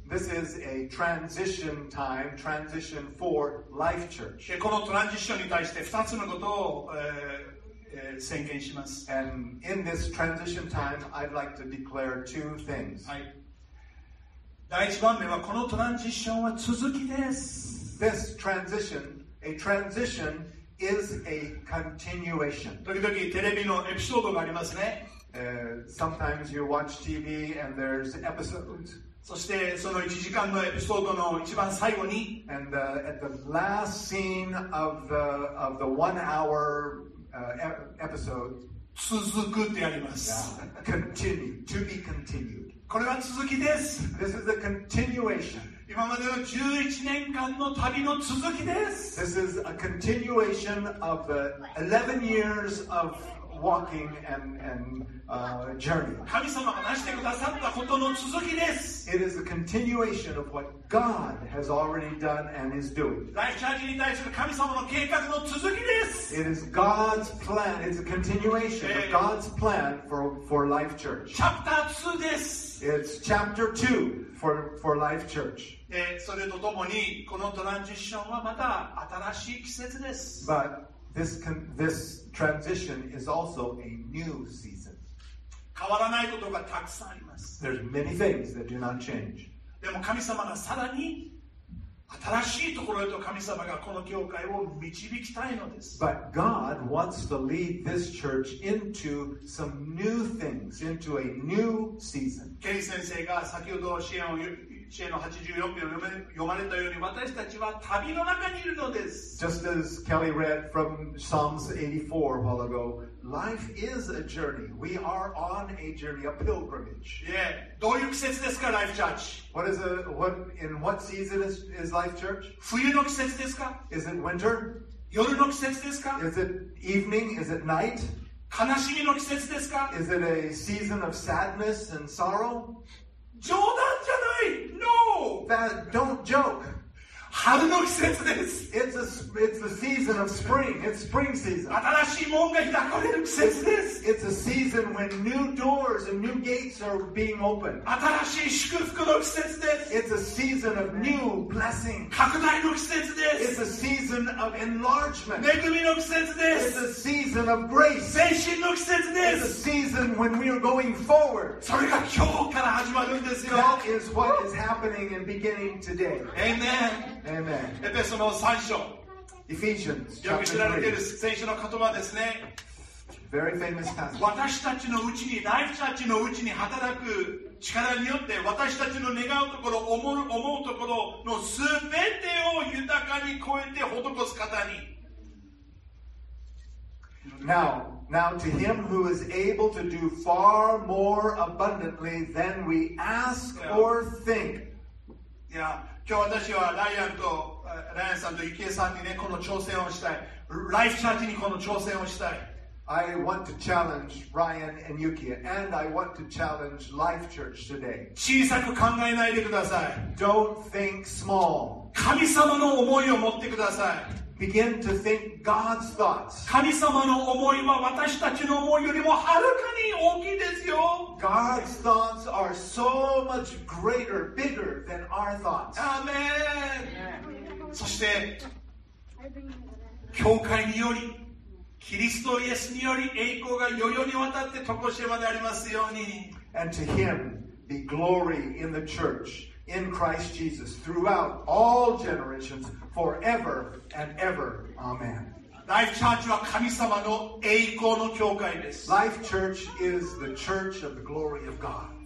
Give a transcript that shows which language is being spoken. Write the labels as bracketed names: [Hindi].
[English] This is a transition time, transition for Life Church. [Japanese] このトランジションに対して2つのことを、宣言します。 [English] And in this transition time, I'd like to declare two things. [Japanese] はい。第1番目はこのトランジションは続きです。 [English] This transition, a transition is a continuation. [Japanese] 時々テレビのエピソードがありますね。 [English] Sometimes you watch TV and there's episodes. [Japanese] そしてその1時間のエピソードの一番最後に。 [English] And at the last scene of the one hour. Episode [Japanese] 続くってあります、 [English] yeah. Continue, to be continued. [Japanese] これは続きです。 [English] This is a continuation. [Japanese] 今までの11年間の旅の続きです。 [English] This is a continuation of the 11 years of walking and journey. [Japanese] 神様が成してくださったことの続きです。 [English] It is a continuation of what God has already done and is doing. [Japanese] ライフチャージに対する神様の計画の続きです。 [English] It is God's plan. It's a continuation of God's plan for Life Church. [Japanese] チャプター2です。 [English] It's chapter 2 for Life Church. [Japanese] それとともにこのトランジションはまた新しい季節です。 [English] ButThis transition is also a new season. [Japanese] 変わらないことがたくさんあります。 [English] There's many things that do not change. [Japanese] でも神様がさらに新しいところへと神様がこの教会を導きたいのです。 [English] But God wants to lead this church into some new things, into a new season. [Japanese] ケリー先生が先ほど支援を詩の84編を読まれたように私たちは旅の中にいるのです。 [English] Just as Kelly read from Psalms 84 a while ago, life is a journey. We are on a journey, a pilgrimage. [Japanese] Yeah. どういう季節ですか、Life Church? [English] What is in what season is Life Church? [Japanese] 冬の季節ですか? [English] Is it winter? [Japanese] 夜の季節ですか? [English] Is it evening? Is it night? [Japanese] 悲しみの季節ですか? [English] Is it a season of sadness and sorrow? [Japanese] 冗談じゃない [English] No! That don't joke. [Japanese] 春の季節です [English] It's the season of spring. It's spring season. [Japanese] 新しい門が開かれる季節です [English] It's a season when new doors and new gates are being opened. [Japanese] 新しい祝福の季節です [English] It's a season of new blessing. [Japanese] 拡大の季節です [English] It's a season of enlargement. [Japanese] 恵みの季節です [English] It's a season of grace. [Japanese] 前進の季節です [English] It's a season when we are going forward. [Japanese] それが今日から始まるんですよ [English] That is what is happening and beginning today. Amen. Amen. [Japanese] エペソの3章 [English] Ephesians [Japanese] よく知られている聖書の言葉ですね [English] Very famous passage. [Japanese] 私たちのうちにライフチャーチのうちに働く力によって私たちの願うところ思うところの全てを豊かに超えて施す方に [English] Now to him who is able to do far more abundantly than we ask or think Yeah. [Japanese] 今日私はライアンさんとユキエさんにねこの挑戦をしたい。ライフチャーチにこの挑戦をしたい。 [English] I want to challenge Ryan and Yukiya, and I want to challenge Life Church today. [Japanese] 小さく考えないでください。 [English] Don't think small. [Japanese] 神様の思いを持ってください。 [English] Begin to think God's thoughts. [Japanese] 神様の思いは私たちの思いよりもはるかに大きいですよ。 [English] God's thoughts are so much greater, bigger than our thoughts. Amen. [Japanese] そして、教会により、キリストイエスにより栄光が世々にわたってとこしえまでありますように。 [English] And to him be glory in the church, in Christ Jesus throughout all generations forever and ever. Amen. [Japanese] Life Church は神様の栄光の教会です。 [English] Life Church is the church of the glory of God.